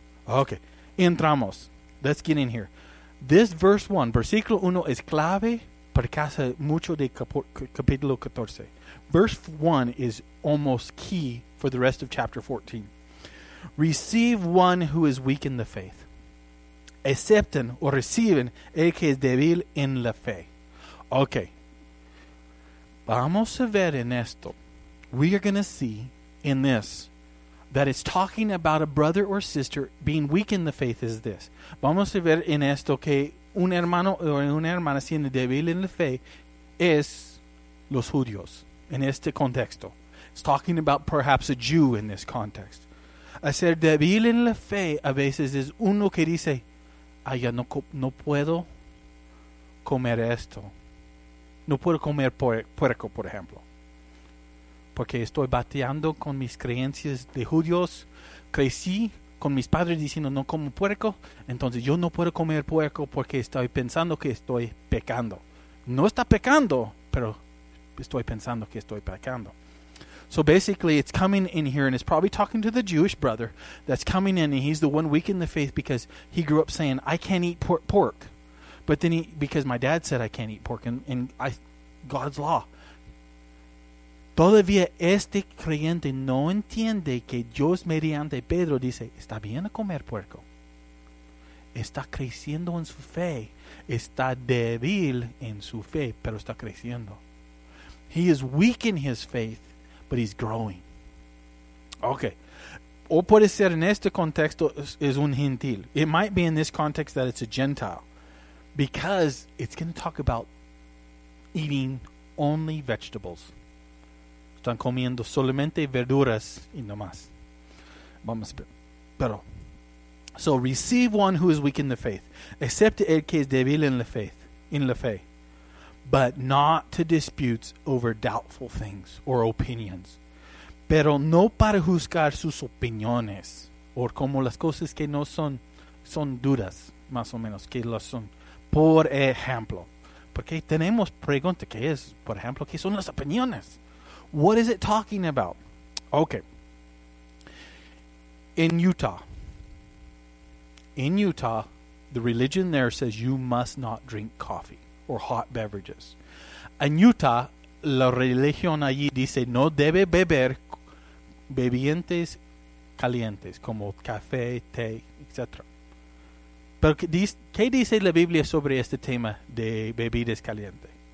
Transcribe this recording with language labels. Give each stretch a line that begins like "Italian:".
English: Okay.
Spanish: Entramos.
English: Let's get in here. This verse 1,
Spanish: versículo 1 es clave. Percasa mucho de capítulo 14.
English: Verse 1 is almost key for the rest of chapter 14. Receive one who is weak in the faith.
Spanish: Acepten o reciben el que es débil en la fe. Okay. Vamos a ver en esto.
English: We are going to see in this that it's talking about a brother or sister being weak in the faith is this.
Spanish: Vamos a ver en esto que un hermano o una hermana siendo débil en la fe es los judíos en este contexto.
English: It's talking about perhaps a Jew in this context.
Spanish: A ser débil en la fe a veces es uno que dice, ay, ya no puedo comer esto. No puedo comer puerco, por ejemplo. Porque estoy batallando con mis creencias de judíos. Crecí con mis padres diciendo no como puerco, entonces yo no puedo comer puerco porque estoy pensando que estoy pecando. No está pecando, pero estoy pensando que estoy pecando.
English: So basically it's coming in here and it's probably talking to the Jewish brother that's coming in and he's the one weak in the faith because he grew up saying I can't eat pork. But then because my dad said I can't eat pork and God's law.
Spanish: Todavía este creyente no entiende que Dios mediante Pedro dice, está bien comer puerco. Está creciendo en su fe. Está débil en su fe, pero está creciendo.
English: He is weak in his faith, but he's growing. Okay.
Spanish: O puede ser en este contexto es un gentil.
English: It might be in this context that it's a Gentile. Because it's going to talk about eating only vegetables.
Spanish: Están comiendo solamente verduras y no más. Vamos a ver. Pero.
English: So receive one who is weak in the faith.
Spanish: Acepte el que es débil en la fe. In la fe.
English: But not to disputes over doubtful things or opinions.
Spanish: Pero no para juzgar sus opiniones. O como las cosas que no son, son duras, más o menos, que las son. Por ejemplo. Porque tenemos preguntas, ¿qué es? Por ejemplo, ¿qué son las opiniones?
English: What is it talking about? Okay. In Utah, the religion there says you must not drink coffee or hot beverages.
Spanish: In Utah, la religión allí dice no debe beber bebientes calientes como café, té, etc. Pero ¿qué dice la Biblia sobre este tema de bebidas calientes?